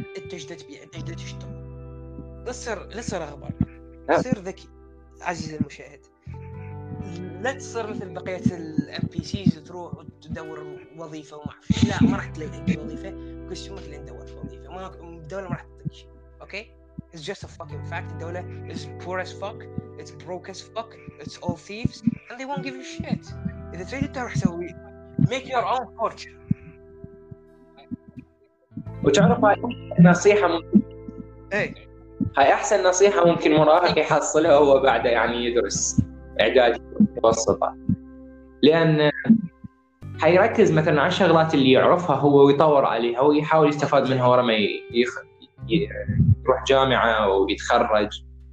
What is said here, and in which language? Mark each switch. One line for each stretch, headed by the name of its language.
Arabic: تجدد بيع تجدد تشتغل. لا تصير اغبر. تصير ذكي عزيزي المشاهد. لا تصير مثل بقيه الام بي سيز تروح وتدور وظيفه وما اعرف. لا ما راح تلاقي وظيفه. كل شيء مثل ندور وظيفه ما الدوله ما راح تعطيك شيء. اوكي
English: it's just a fucking fact. الدوله is poor as fuck. It's broke as fuck. It's all thieves, and they won't give you shit.
Arabic: إذا تريد تروح سوي,
English: make your own fortune.
Arabic: وتعرف هاي نصيحة ممكن. هاي أحسن نصيحة ممكن مراهق يحصلها هو بعد يعني يدرس إعدادي متوسطة. لأن هيركز مثلاً على الشغلات اللي يعرفها هو ويطور عليها ويحاول يستفاد منها ورا ما يروح جامعة ويتخرج.